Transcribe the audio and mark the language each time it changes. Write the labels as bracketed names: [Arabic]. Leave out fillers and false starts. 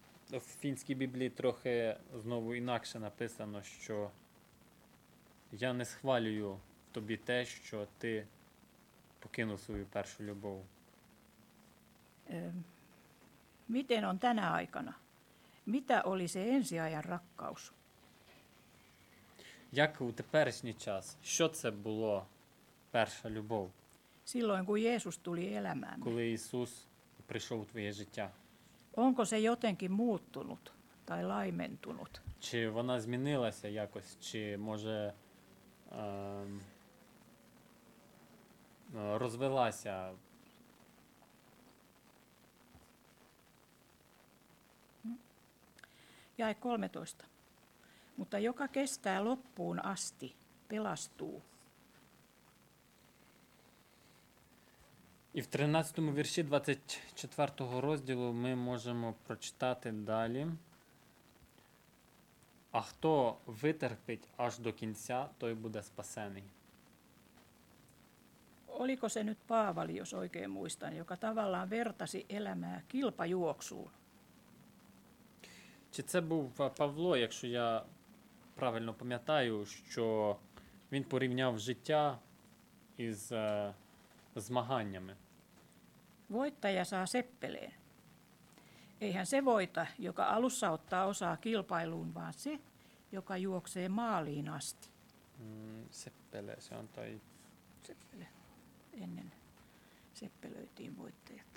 [Ukrainian] В фінській Біблії трохи знову інакше написано, що я не схвалюю тобі те, що ти покинув свою першу любов. [Finnish] Miten on tänä aikana? Mitä oli se ensiajan rakkaus? [Ukrainian] Як у теперішній час? Що це було перша любов? [Finnish] Silloin kun Jeesus tuli elämään. [Ukrainian] Коли Ісус прийшов у твоє життя. [Finnish] Onko se jotenkin muuttunut tai laimentunut? [Ukrainian] Чи вона змінилася якось? Чи може розвилася? [Finnish] Jae 13. Mutta joka kestää loppuun asti, pelastuu. [Ukrainian] І в 13-му вірші 24-го розділу ми можемо прочитати далі. А хто витерпить аж до кінця, той буде спасений. [Finnish] Oliko se nyt Paavali, jos oikein muistan, joka tavallaan vertasi elämää kilpajuoksuun? [Ukrainian] Чи це був Павло, якщо я правильно пам'ятаю, що він порівняв життя із змаганнями? [Finnish] Voittaja saa seppeleen. Eihän se voita, joka alussa ottaa osaa kilpailuun, vaan se, joka juoksee maaliin asti. Seppele, se on toi... Seppele. Ennen seppelöitiin voittajat.